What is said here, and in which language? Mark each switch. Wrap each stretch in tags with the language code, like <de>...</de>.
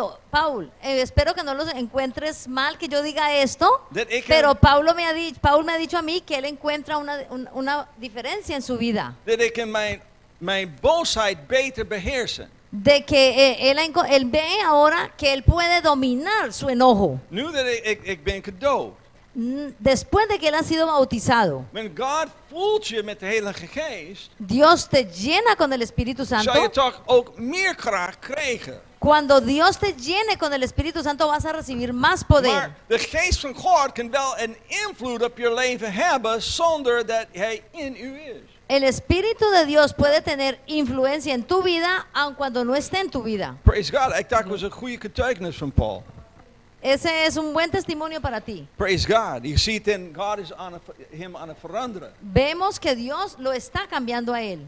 <es>Paul, espero que no los encuentres mal que yo diga esto, pero Paul me ha dicho a mí que él encuentra una diferencia en su vida.</es> <en>That I can my</en> <nl>boosheid beter beheersen.</nl> <es>De que él ve ahora que él puede dominar su enojo.</es> <nl>Nu dat ik ben gedoopt.</nl> <es>Después de que él ha sido bautizado.</es> <nl>When God voelt je met de Heilige Geest,</nl> <es>Dios te llena con el Espíritu Santo.</es> <nl>Zal je toch ook meer kracht krijgen.</nl> <es>Cuando Dios te llene con el Espíritu Santo vas a recibir más poder.</es> <nl>Maar de Geest van God kan wel een invloed op je leven hebben zonder dat hij in u is.</nl> <es>El Espíritu de Dios puede tener influencia en tu vida aun cuando no esté en tu vida.</es> <en>Praise God,</en> <nl>ik dacht was een goede getuigenis van Paul.</nl> <es>Ese es un buen testimonio para ti.</es> <en>Praise God. You see then God is on him on a veranderen.</en> <es>Vemos que Dios lo está cambiando a él.</es>